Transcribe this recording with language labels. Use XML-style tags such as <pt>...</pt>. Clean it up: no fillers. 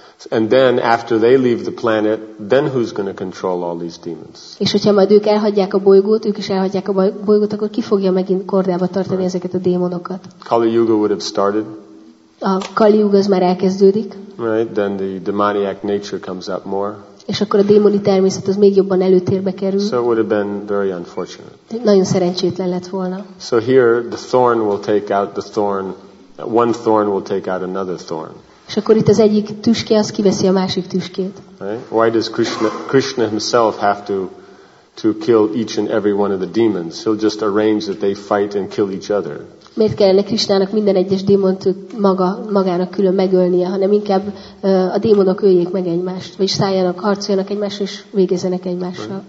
<en>And then after they leave the planet, then who's going to control all these demons?</en> <hu>És hogyha majd ők elhagyják a bolygót, ők is elhagyják a bolygót, akkor ki fogja megint kordába tartani</hu> <en>right.</en> <hu>ezeket a démonokat?</hu> <en>Kali Yuga would have started.</en> <hu>A Kali Yuga az már elkezdődik.</hu> <en>Right, then the demoniac nature comes up more.</en> <hu>És akkor a démoni természet az még jobban előtérbe kerül.</hu> <en>So it would have been very unfortunate.</en> <hu>Nagyon szerencsétlen lett volna.</hu> <en>So here the thorn will take out the thorn. One thorn will take out another thorn.</en> <hu>És akkor itt az egyik tüske, az kiveszi a másik tüskét.</hu> <en>Right? Why does Krishna himself have to kill each and every one of the demons? He'll just arrange that they fight and kill each other.</en> <hu>Miért kellene Krishnának minden egyes démont magának külön megölnie, hanem inkább a démonok öljék meg egymást, vagy szálljanak, harcoljanak egymást, és végezzenek egymással.</hu>